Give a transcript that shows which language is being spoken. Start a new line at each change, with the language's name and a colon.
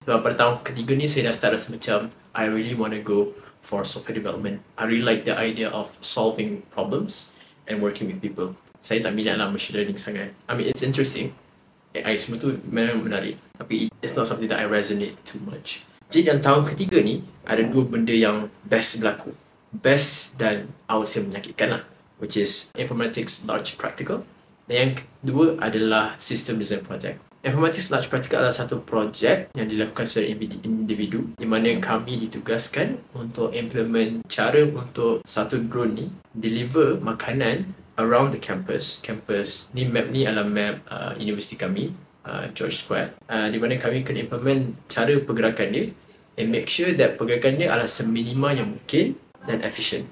Malay: Sebab pada tahun ketiga ni, saya dah start rasa macam,
English: I really want to go for software development. I really like the idea of solving problems and working with people.
Malay: Saya tak minat lah machine learning sangat.
English: I mean, it's interesting.
Malay: AI semua tu memang menarik.
English: Tapi it's not something that I resonate too much.
Malay: Jadi dalam tahun ketiga ni, ada dua benda yang best berlaku.
English: Best dan I would say
Malay: menyakitkan lah,
English: which is informatics large practical.
Malay: Dan yang kedua adalah system design project. Informatics large practical adalah satu projek yang dilakukan secara individu di mana kami ditugaskan untuk implement cara untuk satu drone ni deliver makanan
English: around the campus.
Malay: Campus ni, map ni adalah map universiti kami, George Square, di mana kami kena implement cara pergerakan dia
English: and make sure that
Malay: pergerakan dia adalah seminima yang mungkin dan efficient.